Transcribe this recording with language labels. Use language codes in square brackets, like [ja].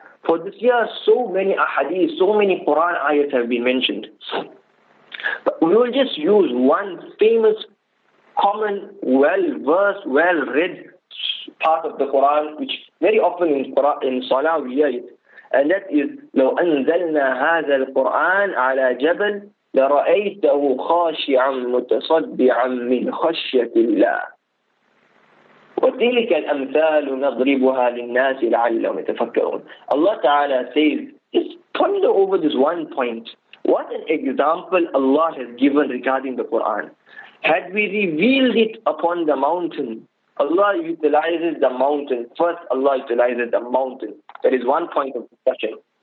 [en] For this year, so many ahadith, so many Quran ayats have been mentioned. But we will just use one famous, common, well-versed, well-read part of the Quran, which very often in Quran, in Salah we hear it. And that is, [ar] لو أنزلنا هذا القرآن على جبل لرأيته خاشعا متصدعا من خشية الله. وتلك الأمثال نضربها للناس لعلهم يتفكرون. [en] Allah Ta'ala says, just ponder over this one point. What an example Allah has given regarding the Quran. Had we revealed it upon the mountain, Allah utilizes the mountain. First, Allah utilizes the mountain. That is one point of discussion.